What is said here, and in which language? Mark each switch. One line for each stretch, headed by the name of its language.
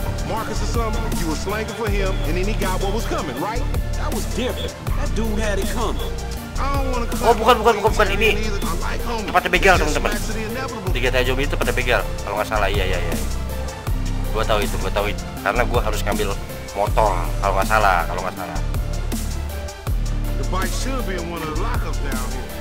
English: Marcus or something, you were slanking for him, and then he got what was coming, right? That was different. That dude had it coming. I don't wanna come.
Indonesian: Oh, bukan ini. Tempatnya begal, teman-teman. Di GTA Zombie itu pada begal, kalau nggak salah, iya. Gua tahu itu. Karena gua harus ngambil motor, kalau nggak salah.
English: The bike should be in one of the lockups down here.